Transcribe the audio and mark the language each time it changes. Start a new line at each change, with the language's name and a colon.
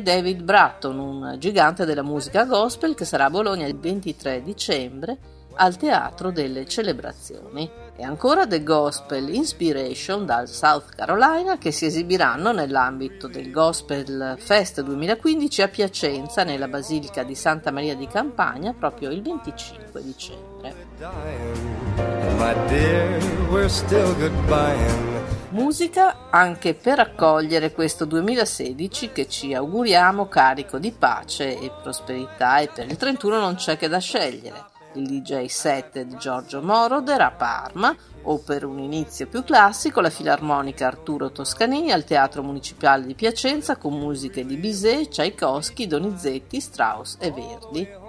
Italian: David Bratton, un gigante della musica gospel che sarà a Bologna il 23 dicembre al Teatro delle Celebrazioni. E ancora The Gospel Inspiration dal South Carolina che si esibiranno nell'ambito del Gospel Fest 2015 a Piacenza nella Basilica di Santa Maria di Campagna proprio il 25 dicembre.
English: My dear, we're still goodbying.
Italian: Musica anche per accogliere questo 2016 che ci auguriamo carico di pace e prosperità, e per il 31 non c'è che da scegliere. Il DJ set di Giorgio Moroder a Parma, o per un inizio più classico, la Filarmonica Arturo Toscanini al Teatro Municipale di Piacenza con musiche di Bizet, Tchaikovsky, Donizetti, Strauss e Verdi.